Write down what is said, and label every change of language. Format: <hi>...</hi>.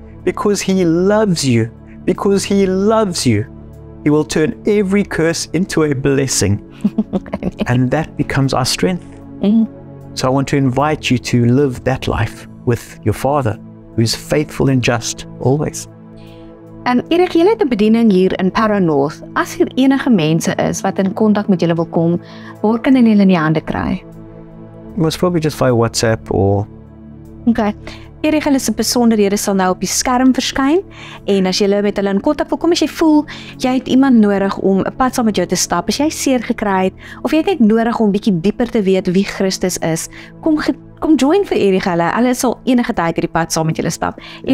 <en>Because he loves you, because he loves you, he will turn every curse into a blessing. And that becomes our strength. Mm. So I want to invite you to live that life with your father, who is faithful and just always.</en> <af>En Erich, jy het 'n bediening hier in Paranorth. As hier enige mense is wat in kontak met julle wil kom, waar kan hulle julle in die hande kry?</af> <en>Most probably just via WhatsApp or... Okay.</en> <af>Erich, hulle se besonderhede sal nou op die skerm verskyn en as jy met hulle in kontak wil kom, as jy voel jy het iemand nodig om 'n pad saam met jou te stap, as jy seer gekry het of jy het net nodig om bietjie dieper te weet wie Christus is, kom kom join vir Erich. Hulle sal enige tyd hierdie pad saam met julle stap. Yeah.</af>